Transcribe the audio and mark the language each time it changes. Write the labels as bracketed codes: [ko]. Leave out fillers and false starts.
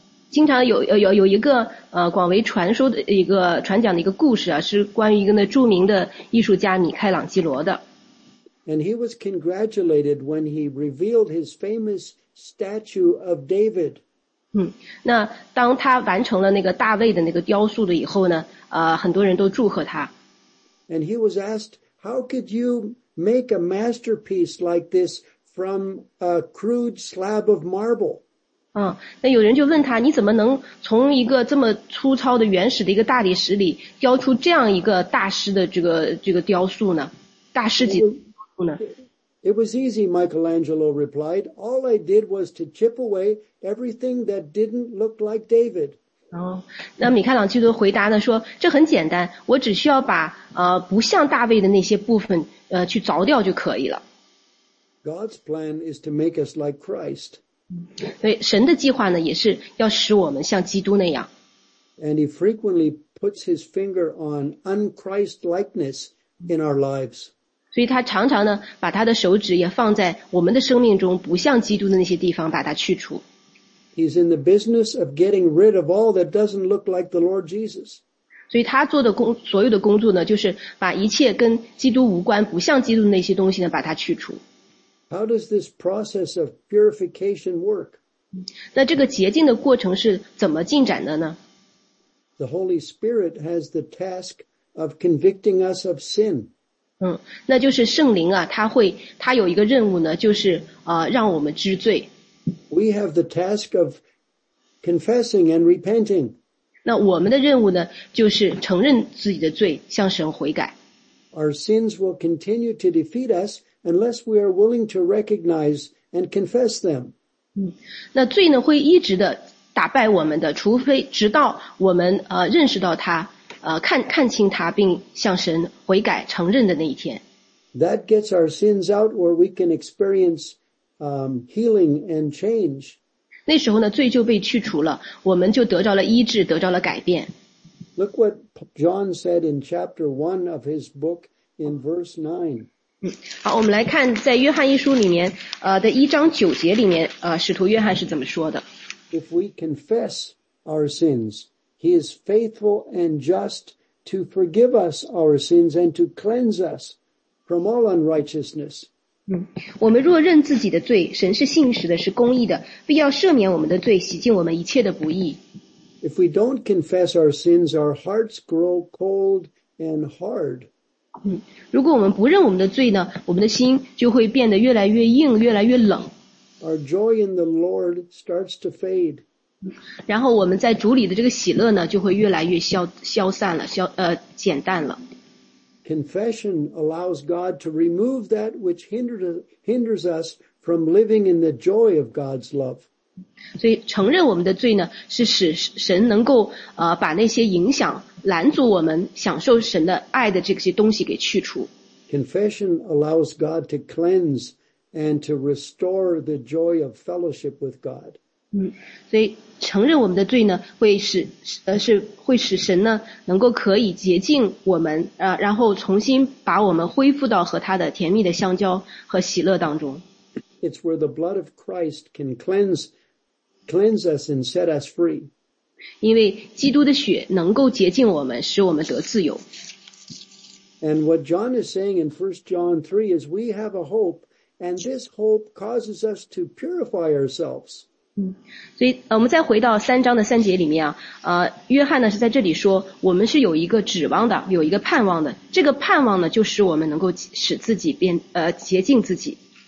[zh] 经常有一个广为传说的一个传讲的一个故事啊，是关于一个那著名的艺术家米开朗基罗的。 [en] And he was congratulated when he revealed his famous statue of David. [zh] 那当他完成了那个大卫的那个雕塑的以后呢，很多人都祝贺他。 [en] And he was asked, "How could you make a masterpiece like this from a crude slab of marble?" [zh] 那有人就问他，你怎么能从一个这么粗糙的原始的一个大理石里雕出这样一个大师的这个雕塑呢？大师级的雕塑呢 [en] ？It was easy, Michelangelo replied. All I did was to chip away everything that didn't look like David. [zh] 那米开朗基罗回答呢说，这很简单，我只需要把不像大卫的那些部分去凿掉就可以了。 [en] God's plan is to make us like Christ. [zh] 所以神的计划呢，也是要使我们像基督那样。 [en] And he frequently puts his finger on un-Christ likeness in our lives. [zh] 所以他常常呢把他的手指也放在我们的生命中不像基督的那些地方把它去除。 [en] He's in the business of getting rid of all that doesn't look like the Lord Jesus. [zh] 所以他做的工所有的工作呢就是把一切跟基督无关不像基督的那些东西呢把它去除。 [en] How does this process of purification work? [zh] 那这个洁净的过程是怎么进展的呢？ [en] The Holy Spirit has the task of convicting us of sin. [zh] 那就是圣灵啊他会他有一个任务呢就是让我们知罪。 [en] We have the task of confessing and repenting. [zh] 那我们的任务呢就是承认自己的罪向神悔改。 [en] Our sins will continue to defeat us unless we are willing to recognize and confess them. [zh] 那罪呢会一直的打败我们的除非直到我们认识到它看清它并向神悔改承认的那一天。 [en] That gets our sins out where we can experience healing and change. [zh] 那时候呢罪就被去除了我们就得着了医治得着了改变。 [en] Look what John said in chapter 1 of his book in verse 9. [zh] 好我们来看在约翰一书里面的一章九节里面使徒约翰是怎么说的。 [en] If we confess our sins, he is faithful and just to forgive us our sins and to cleanse us from all unrighteousness. [zh] 我们若认自己的罪神是信实的是公义的必要赦免我们的罪洗净我们一切的不义。 [en] If we don't confess our sins, our hearts grow cold and hard. [zh] 如果我们不认我们的罪呢我们的心就会变得越来越硬越来越冷。 [en] Our joy in the Lord starts to fade. [zh] 然后我们在主里的这个喜乐呢就会越来越 消散了，减淡了。 [en] Confession allows God to remove that which hinders us from living in the joy of God's love. [zh] 所以承认我们的罪呢是使神能够把那些影响拦阻我们享受神的爱的这些东西给去除。 [en] Confession allows God to cleanse and to restore the joy of fellowship with God. [zh] 所以承认我们的罪呢会使是会使神呢能够可以洁净我们然后重新把我们恢复到和他的甜蜜的相交和喜乐当中。 [en] It's where the blood of Christ can cleanse us and set us free. [zh] 因为基督的血能够洁净我们使我们得自由。 [en] And what John is saying in 1 John 3 is we have a hope and this hope causes us to purify ourselves. [zh] 所以我们再回到三章的三节里面约翰呢是在这里说我们是有一个指望的有一个盼望的这个盼望呢就使我们能够使自己变洁净自己。